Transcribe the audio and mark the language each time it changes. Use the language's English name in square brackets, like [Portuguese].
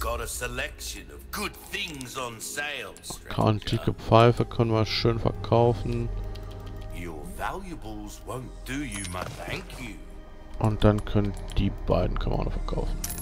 [English] Got a selection of good things on sale. [German] Antike Pfeife können wir schön verkaufen. [English] Your valuables won't do you much, thank you. [German] Und dann können die beiden Kamane verkaufen.